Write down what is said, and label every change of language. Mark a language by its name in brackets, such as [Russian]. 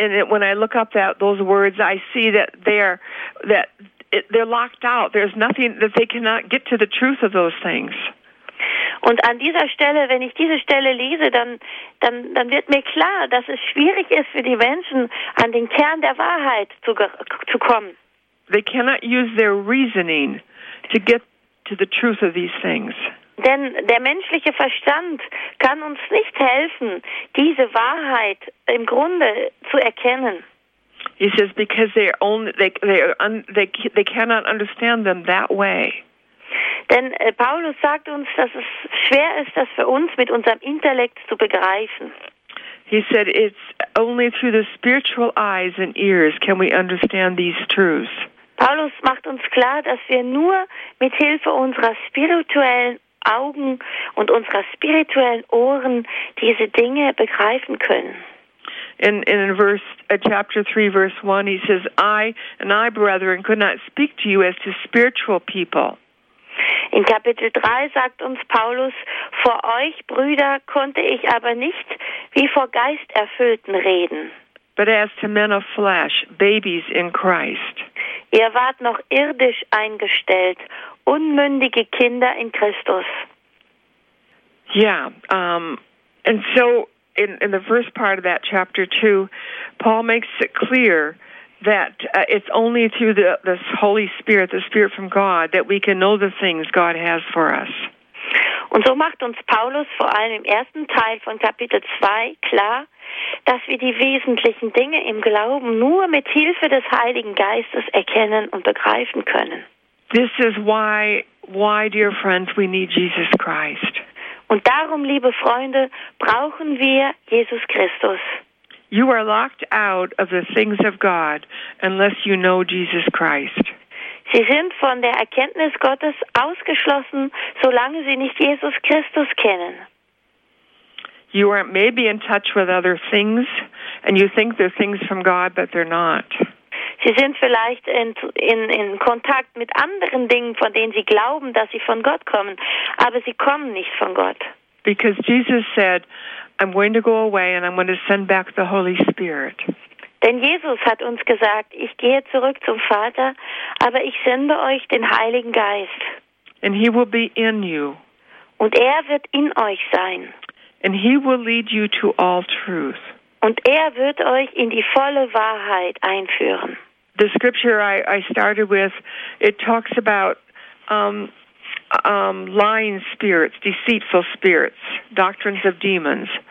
[English] When I look up those words, I see that they're locked out. There's nothing that they cannot get to the truth of those things. [German] Und an dieser Stelle, wenn ich diese Stelle lese, dann wird mir klar, dass es schwierig ist für die Menschen, an den Kern der Wahrheit zu kommen. [English] They cannot use their reasoning to get to the truth of these things. [German] Denn der menschliche Verstand kann uns nicht helfen, diese Wahrheit im Grunde zu erkennen. [English] He says, because they cannot understand them that way. [German] Denn Paulus sagt uns, dass es schwer ist, das für uns mit unserem Intellekt zu begreifen. [English] He said, it's only through the spiritual eyes and ears can we understand these truths. [German] Paulus macht uns klar, dass wir nur mit Hilfe unserer spirituellen Augen und unserer spirituellen Ohren diese Dinge begreifen können. [English] In chapter 3, verse 1, he says, I, brethren, could not speak to you as to spiritual people. [German] In Kapitel 3 sagt uns Paulus, vor euch, Brüder, konnte ich aber nicht wie vor Geisterfüllten reden. [English] But as to men of flesh, babies in Christ. [German] Ihr wart noch irdisch eingestellt, unmündige Kinder in Christus. [English] Yeah, and so in the first part of that chapter 2, Paul makes it clear that it's only through the Holy Spirit, the Spirit from God, that we can know the things God has for us. [German] Und so macht uns Paulus vor allem im ersten Teil von Kapitel 2 klar, dass wir die wesentlichen Dinge im Glauben nur mit Hilfe des Heiligen Geistes erkennen und begreifen können. [English] This is why, dear friends, we need Jesus Christ. [German] Und darum, liebe Freunde, brauchen wir Jesus Christus. [English] You are locked out of the things of God unless you know Jesus Christ. [German] Sie sind von der Erkenntnis Gottes ausgeschlossen, solange Sie nicht Jesus Christus kennen. [English] You are maybe in touch with other things and you think they're things from God, but they're not. [German] Sie sind vielleicht in Kontakt mit anderen Dingen, von denen Sie glauben, dass sie von Gott kommen, aber sie kommen nicht von Gott. [English] Because Jesus said, I'm going to go away and I'm going to send back the Holy Spirit. [German] Denn Jesus hat uns gesagt, ich gehe zurück zum Vater, aber ich sende euch den Heiligen Geist. [English] And he will be in you. [German] Und er wird in euch sein. [English] And he will lead you to all truth. [German] Und er wird euch in die volle Wahrheit einführen. [English] The scripture I started with, it talks about lying spirits, deceitful spirits, doctrines of demons.